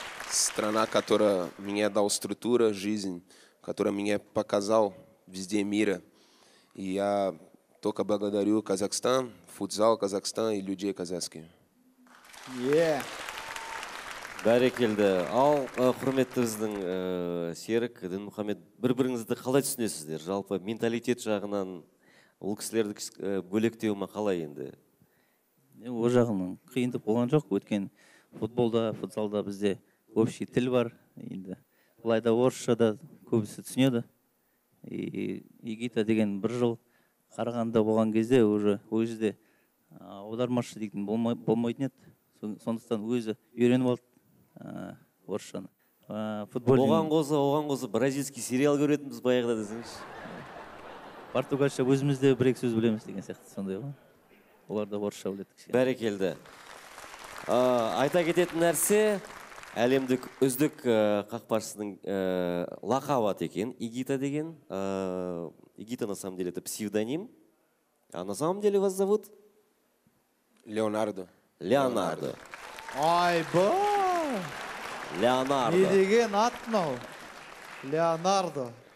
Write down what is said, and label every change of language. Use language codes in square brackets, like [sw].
[ru] Страна, которая мне дала структуру, жизнь, которая мне показала везде мира. И я только благодарю Казахстан, футзал Казахстан и людей казахских. [kk] Бәрекелді. Ал құрметтіңіздің Серік, Дін Мұхаммед, бір-біріңізді қалай түсінесіздер? Жалпы менталитет жағынан ол кісілерді бөлектеу ма қалай енді? Ол жағынан қиындық болған жоқ. Өткен футболда, футзалда бізде общий тіл бар, енді былай да орысша да көбісі түсінеді. Игита деген бір жыл Қарағанда болған кезде уже өзде аудармашы дейтін болмайтын еді. Сондықтан өзі үйреніп алды орысшаны. Оған қоса бразильский сериал көретінбіз баяғыда десеңіз. Португалша өзімізде бір екі сөз білеміз деген сияқты сондай ғой. Олар да орысша біледі кішкене. Бәрекелді. Айта кететін нәрсе, әлемдік үздік қақпашысының лақап аты екен, Игита деген. [ru] Игита на самом деле это псевдоним. А на самом деле вас зовут? Леонардо. Леонардо. [kk] Айба! Леонардо. Не деген атно. Леонардо.